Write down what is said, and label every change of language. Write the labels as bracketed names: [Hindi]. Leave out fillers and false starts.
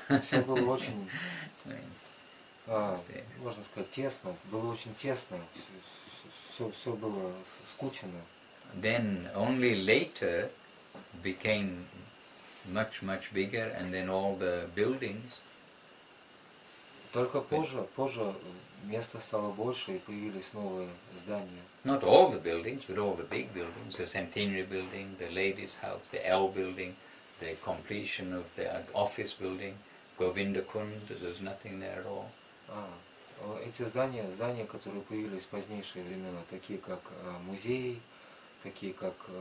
[Russian] Все было очень, можно сказать, тесно. Было очень тесно. Все было скучено. [English] Then only later became much, much bigger, and then all the buildings. [Russian] Только позже место стало больше и появились новые здания. [English] Not all the buildings, but all the big buildings: the Centenary Building, the Ladies' House, the L Building, the completion of the office building, Govinda Kund. There's nothing there at all. [Russian] Эти здания, которые появились в позднейшие времена, такие как музей, такие как